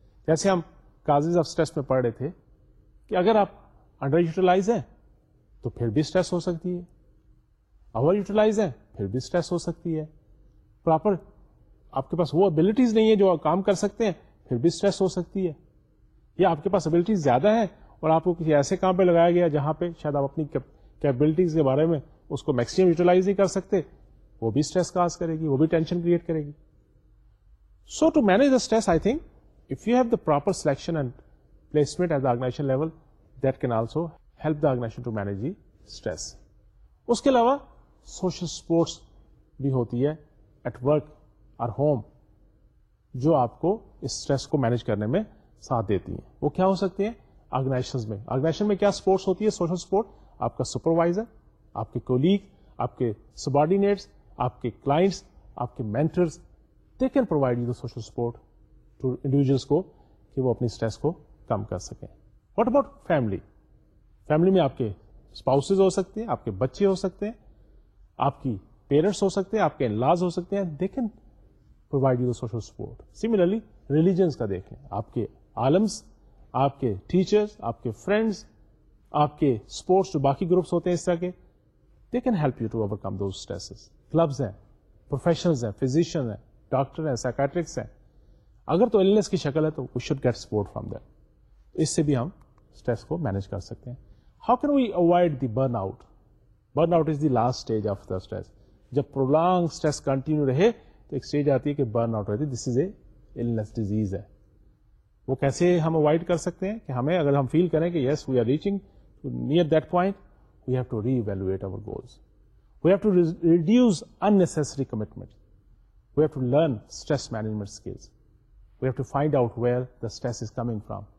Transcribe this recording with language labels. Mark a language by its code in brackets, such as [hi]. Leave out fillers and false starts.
[ur] جیسے ہم causes of stress میں پڑھ رہے تھے کہ اگر آپ انڈر یوٹیلائز ہیں تو پھر بھی اسٹریس ہو سکتی ہے, اوور یوٹیلائز ہیں پھر بھی اسٹریس ہو سکتی ہے, پراپر آپ کے پاس وہ ابلٹیز نہیں ہے جو آپ کام کر سکتے ہیں پھر بھی اسٹریس ہو سکتی ہے, یا آپ کے پاس ابلٹیز زیادہ ہیں اور آپ کو کسی ایسے کام پہ لگایا گیا جہاں پہ شاید آپ اپنی کیپبلٹیز کے بارے میں اس کو میکسیمم یوٹیلائز نہیں کر سکتے, وہ بھی اسٹریس کاز کرے گی, وہ بھی ٹینشن کریٹ کرے گی. [en] So to manage the stress, I think if you have the proper selection and placement at the organisation level, that can also help the organisation to manage the stress. [ur] اس کے علاوہ social sports بھی ہوتی ہے at work اور home, جو آپ کو stress کو مینج کرنے میں ساتھ دیتی ہیں. وہ کیا ہو سکتی ہیں؟ آرگنائزیشن میں, آرگنائزیشن میں کیا سپورٹس ہوتی ہے؟ سوشل سپورٹ, آپ کا سپروائزر, آپ کے کولیگ, آپ کے سبارڈینیٹس, آپ کے کلائنٹس, آپ کے mentors, [en] they can provide you the social support to individuals [ur] کو کہ وہ اپنی اسٹریس کو کم کر سکیں. [en] What about family? [ur] فیملی میں آپ کے اسپاؤسز ہو سکتے ہیں, آپ کے بچے ہو سکتے ہیں, آپ کی پیرنٹس ہو سکتے ہیں, آپ کے ان لاز ہو سکتے ہیں, [en] They can provide you the social support. [ur] Similarly religions کا دیکھ لیں, آپ کے عالمس, آپ کے ٹیچرس, آپ کے فرینڈس, آپ کے اسپورٹس جو باقی گروپس ہوتے ہیں اس طرح کے, [en] They can help you to overcome those stresses. [ur] Clubs ہیں, پروفیشنلز ہیں, فزیشین ہیں, ڈاکٹر ہیں, سائیکیٹرکس ہیں, اگر تو ایلنس کی شکل ہے تو [en] We should get support from them. [ur] اس سے بھی ہم اسٹریس کو مینج کر سکتے ہیں. [en] How can we avoid the burn out? Burn out is the last stage of the stress. [ur] جب پرولانگ اسٹریس کنٹینیو رہے تو ایک اسٹیج آتی ہے کہ برن آؤٹ رہتی, [en] this is a illness disease [ur] ہے. وہ کیسے ہم اوائڈ کر سکتے ہیں کہ ہمیں اگر ہم فیل کریں کہ [en] Yes we are reaching near that point, we have to reevaluate our goals, we have to reduce unnecessary commitment, we have to learn stress management skills, we have to find out where the stress is coming from.